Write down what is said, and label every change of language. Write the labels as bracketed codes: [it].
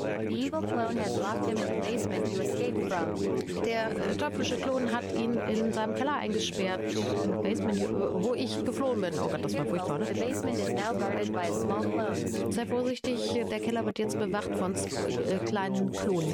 [en] The evil clone has locked him in the basement to escape from. [de] Der teuflische Klon hat ihn in seinem Keller eingesperrt. Basement, wo ich geflohen bin. Oh Gott, das war furchtbar. [en] The basement is now guarded by a small clone. [de] Sei vorsichtig, der Keller wird jetzt bewacht von kleinen Klonen.